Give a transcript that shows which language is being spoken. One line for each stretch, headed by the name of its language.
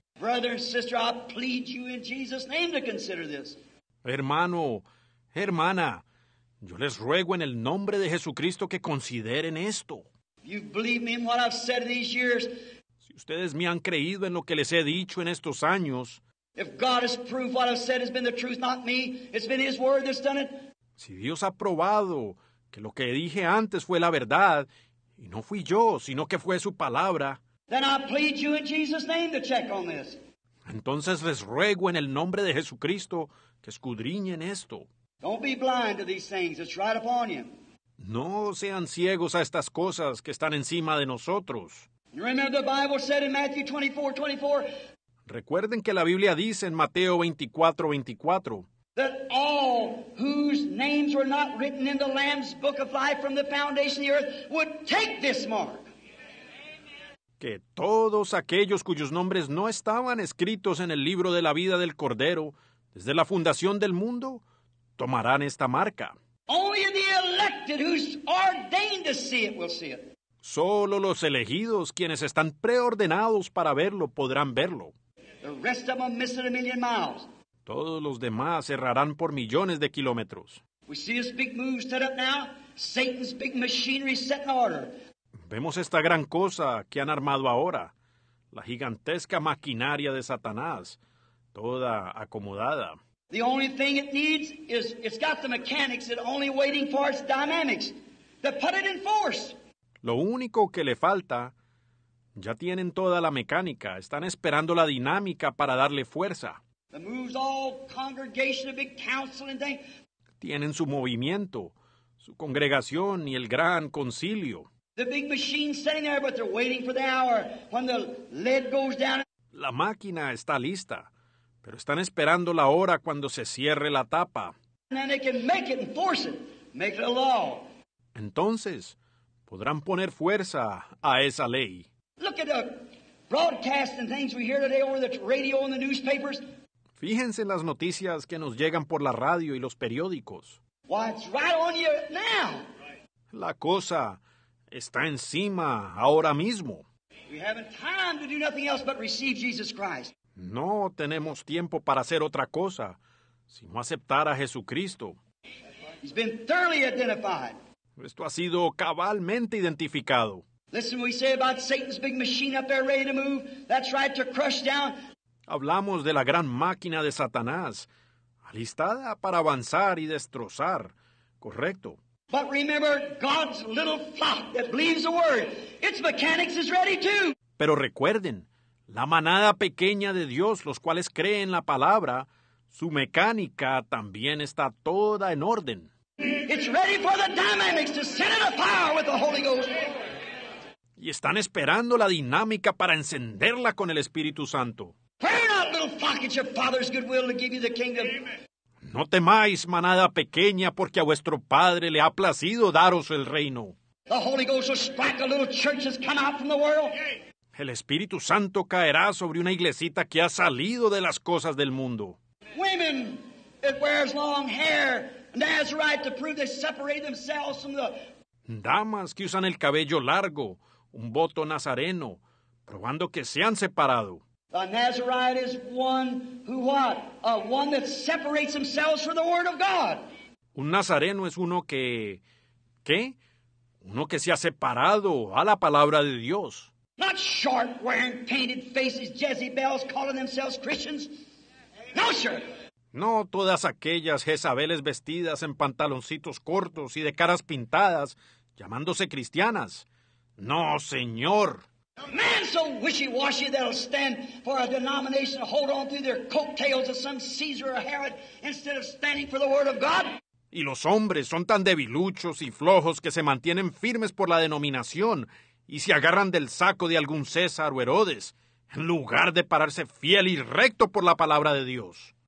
English: Brother and sister, I plead you in Jesus' name to consider this.
Spanish: Hermano, hermana, yo les ruego en el nombre de Jesucristo que consideren esto.
English: You believe me in what I've said these years.
Spanish: Si ustedes me han creído en lo que les he dicho en estos años.
English: If God has proved what I've said has been the truth, not me, it's been His word that's done it.
Spanish: Si Dios ha probado que lo que dije antes fue la verdad y no fui yo, sino que fue su palabra.
English: Then I plead you in Jesus' name to check on this.
Spanish: Entonces les ruego en el nombre de Jesucristo que escudriñen esto.
English: Don't be blind to these things. It's right upon you.
Spanish: No sean ciegos a estas cosas que están encima de nosotros.
English: Remember the Bible said in Matthew 24:24.
Spanish: Recuerden que la Biblia dice en Mateo 24:24.
English: That all whose names were not written in the Lamb's book of life from the foundation of the earth would take this mark.
Spanish: Que todos aquellos cuyos nombres no estaban escritos en el libro de la vida del Cordero desde la fundación del mundo tomarán esta marca.
English: Only the elected who's ordained to see it will see it.
Spanish: Solo los elegidos, quienes están preordenados para verlo, podrán verlo.
English: The rest of them miss it a million miles.
Spanish: Todos los demás errarán por millones de kilómetros.
English: We see this big move set up now. Satan's big machinery set in order.
Spanish: Vemos esta gran cosa que han armado ahora. La gigantesca maquinaria de Satanás, toda acomodada.
English: The only thing it needs is it's got the mechanics that are only waiting for its dynamics to put it in force.
Spanish: Lo único que le falta, ya tienen toda la mecánica, están esperando la dinámica para darle fuerza.
English: The moves all congregation, a big council and thing.
Spanish: Tienen su movimiento, su congregación y el gran concilio.
English: The big machine sitting there, but they're waiting for the hour when the lid goes down.
Spanish: La máquina está lista, pero están esperando la hora cuando se cierre la tapa.
English: And then they can make it and force it, make it a law.
Spanish: Entonces, podrán poner fuerza a esa ley.
English: Look at the broadcasts and things we hear today over the radio and the newspapers.
Spanish: Fíjense en las noticias que nos llegan por la radio y los periódicos.
English: Why, it's right on you now.
Spanish: La cosa está encima ahora mismo.
English: We haven't time to do nothing else but receive Jesus Christ.
Spanish: No tenemos tiempo para hacer otra cosa, sino aceptar a Jesucristo.
English: He's been thoroughly identified.
Spanish: Esto ha sido cabalmente identificado.
English: Listen, we say about Satan's big machine up there ready to move. That's right, to crush down.
Spanish: Hablamos de la gran máquina de Satanás, alistada para avanzar y destrozar. Correcto.
English: But remember, God's little flock that believes the word, its mechanics is ready too.
Spanish: Pero recuerden, la manada pequeña de Dios, los cuales creen la palabra, su mecánica también está toda en orden.
English: It's ready for the dynamics to set it afire with the Holy Ghost.
Spanish: Y están esperando la dinámica para encenderla con el Espíritu Santo.
English: Pray not, little flock, it's your Father's good will to give you the kingdom.
Spanish: No temáis, manada pequeña, porque a vuestro Padre le ha placido daros el reino.
English: The Holy Ghost will strike a little church that's come out from the world.
Spanish: El Espíritu Santo caerá sobre una iglesita que ha salido de las cosas del mundo.
English: Women that wears long hair, Nazarite to prove they separate themselves from the...
Spanish: Damas que usan el cabello largo, un voto nazareno, probando que se han separado.
English: A Nazarite is one who what? One that separates themselves from the word of God.
Spanish: Un nazareno es uno que... ¿Qué? Uno que se ha separado a la palabra de Dios.
English: Not short, wearing painted faces, Jezebels calling themselves Christians. No, sir.
Spanish: No todas aquellas Jezabeles vestidas en pantaloncitos cortos y de caras pintadas, llamándose cristianas. No, señor.
English: A man so wishy-washy that'll stand for a denomination to hold on through their coattails of some Caesar or Herod instead of standing for the word of God. Y los hombres son tan debiluchos y flojos que se mantienen firmes por la denominación y se agarran del saco de algún César o Herodes en lugar de pararse fiel y recto por la palabra de Dios.